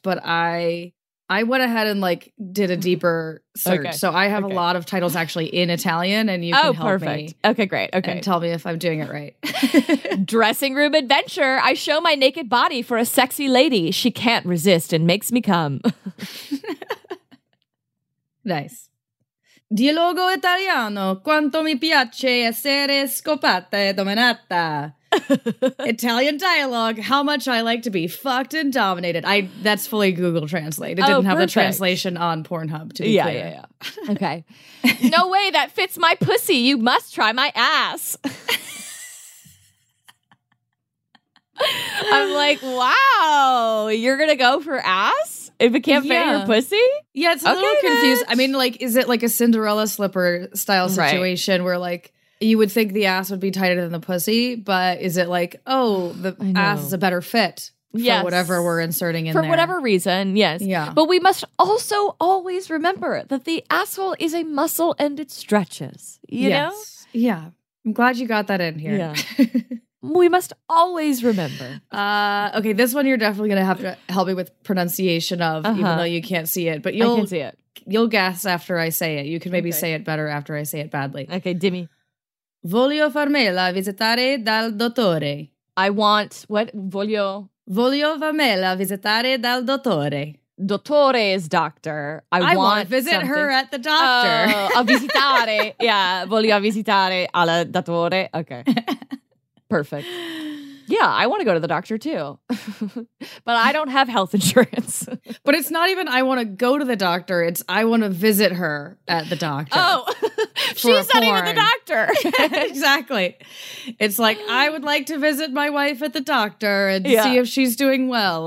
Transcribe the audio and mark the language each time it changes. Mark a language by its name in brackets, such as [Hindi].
[English] But I went ahead and, like, did a deeper search. Okay. So I have a lot of titles actually in Italian, and you can help me. Okay, great. Okay. And tell me if I'm doing it right. Dressing room adventure. I show my naked body for a sexy lady. She can't resist and makes me come. Nice. [Italian] Dialogo italiano, quanto mi piace essere scopata e dominata. [English] Italian dialogue, how much I like to be fucked and dominated. That's fully Google Translate. It didn't have the translation on Pornhub, to be clear. Yeah, yeah, yeah. Okay. No way, that fits my pussy. You must try my ass. I'm like, wow, you're going to go for ass? If it can't fit your pussy? Yeah, it's a little confused. I mean, like, is it like a Cinderella slipper style situation where, like, you would think the ass would be tighter than the pussy, but is it like, oh, the ass is a better fit for whatever we're inserting in there? For whatever reason, yes. Yeah. But we must also always remember that the asshole is a muscle and it stretches, you know? Yes. Yeah. I'm glad you got that in here. Yeah. We must always remember. Okay, this one you're definitely going to have to help me with pronunciation of, even though you can't see it. But I can see it. You'll guess after I say it. You can maybe say it better after I say it badly. Okay, [Italian] dimmi. Voglio farmi la visitare dal dottore. [English] I want, what? [Italian] Voglio? Voglio farmi la visitare dal dottore. [English] Dottore is doctor. I want to visit something. Her at the doctor. Oh, [Italian] a visitare. [English] Yeah, [Italian] voglio visitare al dottore. [English] Okay. Perfect. Yeah, I want to go to the doctor too. But I don't have health insurance. But it's not even I want to go to the doctor. It's I want to visit her at the doctor. Oh, she's not even the doctor. Exactly. It's like I would like to visit my wife at the doctor and see if she's doing well.